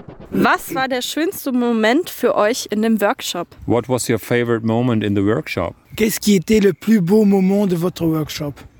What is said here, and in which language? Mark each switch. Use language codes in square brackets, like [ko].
[de] Was war der schönste Moment für euch in dem Workshop? [en] What was your favorite moment in the workshop? [fr] Qu'est-ce qui était le plus beau moment de votre workshop?